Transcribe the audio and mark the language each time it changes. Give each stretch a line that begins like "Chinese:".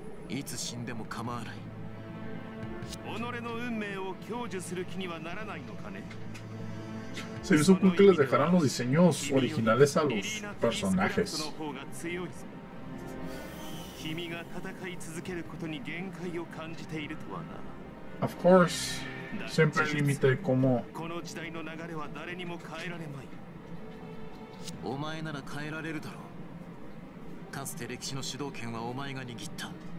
Japanese: いつ死んでも構わない。己の運命を享受する気にはならないのかね。
Spanish: Se hizo cool que les dejaran los diseños originales a los personajes.
Japanese: 君が戦い続けることに限界を感じているとはな。
English: Of course,
Spanish: siempre el límite como
Japanese: この時代の流れは誰にも変えられない。お前なら変えられるだろう。かつて歴史の主導権はお前が握った。